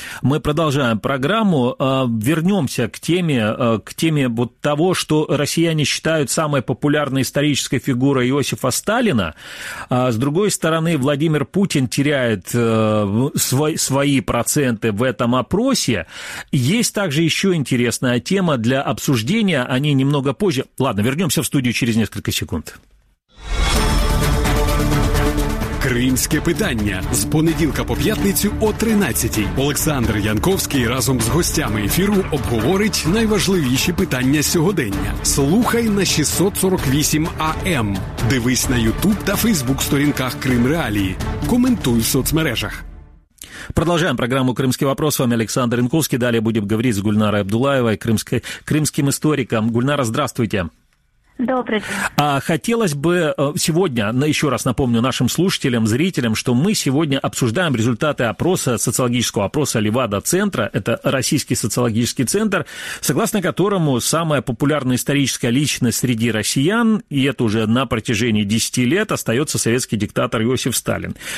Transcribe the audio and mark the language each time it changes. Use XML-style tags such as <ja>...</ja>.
<ru>Мы продолжаем программу. Вернемся к теме вот того, что россияне считают самой популярной исторической фигурой Иосифа Сталина. С другой стороны, Владимир Путин теряет свои проценты в этом опросе. Есть также еще интересная тема для обсуждения. Они немного позже. Ладно, вернемся в студию через несколько секунд.</ru> <uk>Кримське питання з понеділка по п'ятницю о 13:00. Олександр Янковський разом з гостями ефіру обговорить найважливіші питання сьогодення. Слухай на 648 АМ. Дивись на YouTube та Facebook сторінках Крим Реалії. Коментуй в соцмережах.</uk> <ru>Продолжаем программу «Крымский вопрос». С вами Александр Янковський.</ru> <uk>Далі будемо говорити з Гульнарою Абдулаєвою, кримським істориком.</uk> <ru>Гульнара, здравствуйте. Добрый день. Хотелось бы сегодня, еще раз напомню нашим слушателям, зрителям, что мы сегодня обсуждаем результаты опроса, социологического опроса Левада-центра, это российский социологический центр, согласно которому самая популярная историческая личность среди россиян, и это уже на протяжении 10 лет, остается советский диктатор Иосиф Сталин.</ru>